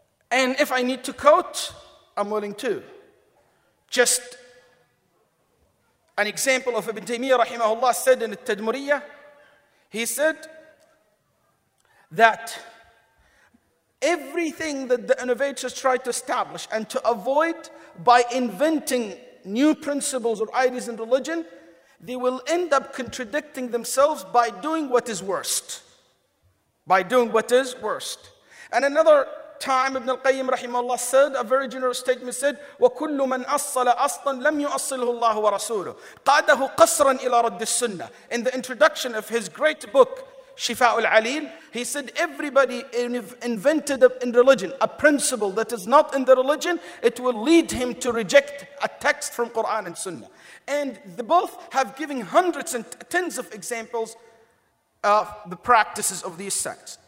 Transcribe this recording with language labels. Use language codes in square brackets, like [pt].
[en] And if I need to quote, I'm willing to. Just an example of Ibn Taymiyyah rahimahullah said in At-Tadmuriyah, he said that everything that the innovators try to establish and to avoid by inventing new principles or ideas in religion, they will end up contradicting themselves by doing what is worst. By doing what is worst. And another time Ibn al-Qayyim rahimahullah said, a very generous statement said, [ar] وَكُلُّ مَنْ أَصَّلَ أَصْلًا لَمْ يُؤَصِّلْهُ اللَّهُ وَرَسُولُهُ قَادَهُ قَصْرًا إِلَى رَدِّ السُّنَّةِ. [en] In the introduction of his great book, Shifa'u al-Alil, he said, everybody invented in religion a principle that is not in the religion, it will lead him to reject a text from Quran and Sunnah. And the both have given hundreds and tens of examples of the practices of these sects.